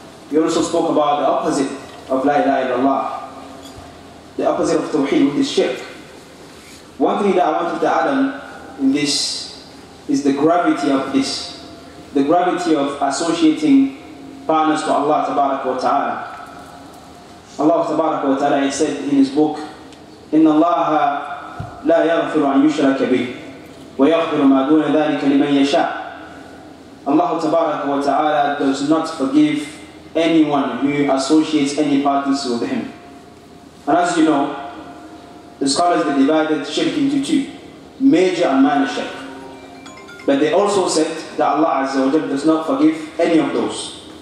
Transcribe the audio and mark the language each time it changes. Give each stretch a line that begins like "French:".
English: We also spoke about the opposite of la ilaha illallah, the opposite of tawheed, which is shirk. One thing that I wanted to add on in this is the gravity of this, the gravity of associating partners to Allah tabaraka wa ta'ala. Allah tabaraka wa ta'ala, he said in his book,
Arabic: إِنَّ اللَّهَ لَا يَغْفِرُ عَنْ يُشْرَكَ بِهِ وَيَغْفِرُ مَا دُونَ ذَلِكَ لِمَنْ يَشَاءَ.
English: Allah tabaraka wa ta'ala does not forgive anyone who associates any partners with him. And as you know, the scholars, they divided shirk into two, major and minor shirk. But they also said that Allah Azza wa Jalla does not forgive any of those.